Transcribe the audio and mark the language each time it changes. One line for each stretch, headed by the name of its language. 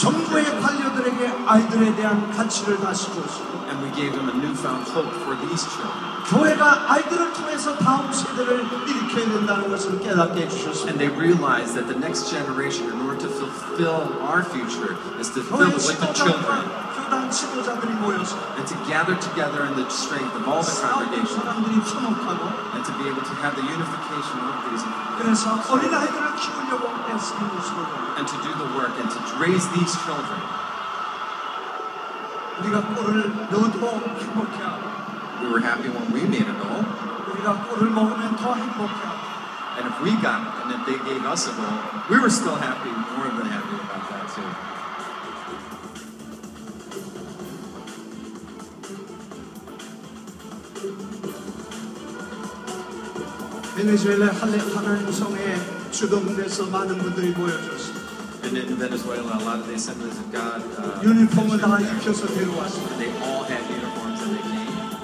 Korean: 정부의 관료들에게 아이들에 대한 가치를 다시 주었습니다.
English: And we gave them a newfound hope for these children.
Korean: 교회가 아이들을 통해서 다음 세대를 일으켜야 된다는 것을 깨닫게 해주셨습니다.
English: And they realized that the next generation, in order to fulfill our future, is to fill it with the children. And to gather together in the strength of all the congregations. And to be able to have the unification of these. And to do the work and to raise these children. We were happy when we made a goal. And if we got and if they gave us a goal, we were still happy, more than happy about that too.
Korean: 베네수엘라 할례 하나님 성에 주동돼서 많은 분들이 모여졌습니다.
English: And in Venezuela, a lot of the assemblies of God.
Korean: 유니폼을 다 입혀서 데려왔습니다.
English: And they all had uniforms and they came.